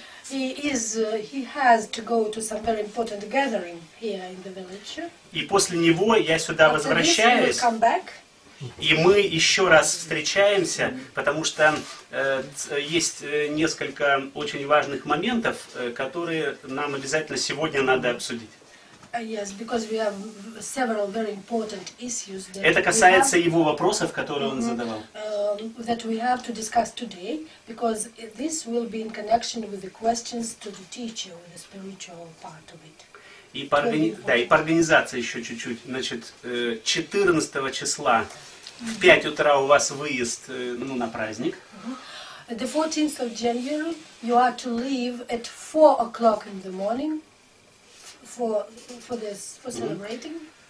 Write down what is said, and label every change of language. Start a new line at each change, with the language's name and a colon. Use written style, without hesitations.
Russian: И после него я сюда возвращаюсь. И мы еще раз встречаемся, потому что есть несколько очень важных моментов, которые нам обязательно сегодня надо обсудить.
English: Yes, because we have several very important issues that.
Russian: Это касается его вопросов, которые он задавал.
English: That we have to discuss today, because this will be in connection with the questions to the teacher, with the spiritual part of it.
Russian: И по, организации еще чуть-чуть. Значит, 14 числа в 5 утра у вас выезд на праздник.
English: The 14th of January you are to leave at 4 o'clock in the morning for celebrating.